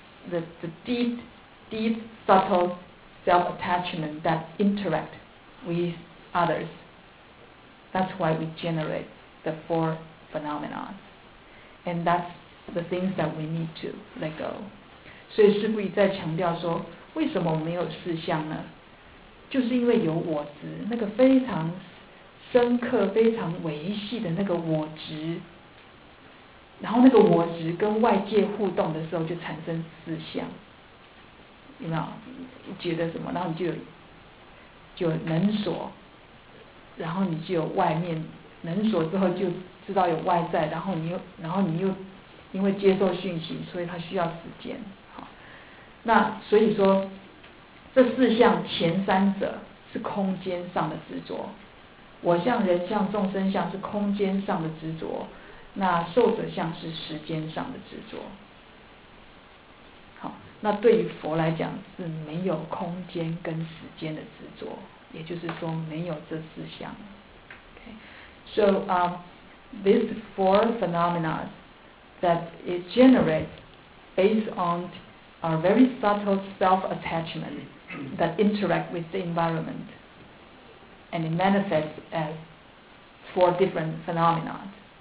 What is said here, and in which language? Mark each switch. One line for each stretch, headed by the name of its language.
English: the deep subtle self-attachment that interact with others. That's why we generate the four phenomena. And that's the things that we need to let go.
Chinese: 所以师父也在强调说，为什么我没有四相呢？就是因为有我执，那个非常深刻、非常维系的那个我执，然后那个我执跟外界互动的时候就产生四相，有没有？觉得什么，然后你就有能所，然后你就有外面能所之后就知道有外在，然后你又因为接受讯息，所以它需要时间。那所以说，这四项前三者是空间上的执着，我相、人相、众生相是空间上的执着，那受者相是时间上的执着。好，那对于佛来讲是没有空间跟时间的执着，也就是说没有这四项。
English: Okay. So these four phenomena that it generates based on are very subtle self-attachment that interact with the environment, and it manifests as four different phenomena.